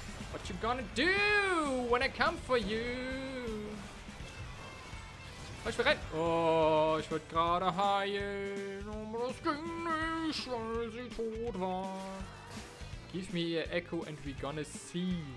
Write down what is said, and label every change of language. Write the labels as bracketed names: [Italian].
[English] What you gonna do when I come for you? [German] Ich will rennen. Oh, ich wollte gerade heilen, aber das ging nicht, weil sie tot war. [English] Give me your echo and we gonna see.